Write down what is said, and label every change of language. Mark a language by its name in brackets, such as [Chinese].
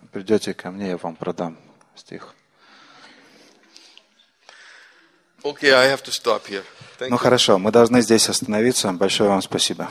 [Russian] Придете ко мне, я вам продам стих. [English] Okay, I have to stop here. Thank you. [Russian] Хорошо, мы должны здесь остановиться. Большое вам спасибо.